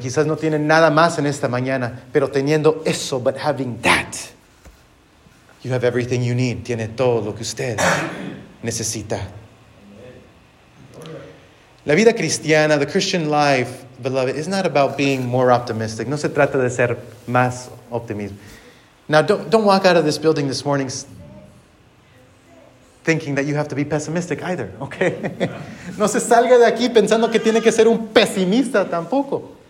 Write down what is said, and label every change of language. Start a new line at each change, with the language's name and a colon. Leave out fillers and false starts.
Spanish: Quizás no tiene nada más en esta mañana. Pero teniendo eso,
English: but having that, you have everything you need.
Spanish: Tiene todo lo que usted necesita. La vida cristiana,
English: the Christian life, beloved, is not about being more optimistic.
Spanish: No se trata de ser más optimista.
English: Now, don't walk out of this building this morning thinking that you have to be pessimistic either, okay?
Spanish: No se salga de aquí pensando que tiene que ser un pesimista tampoco.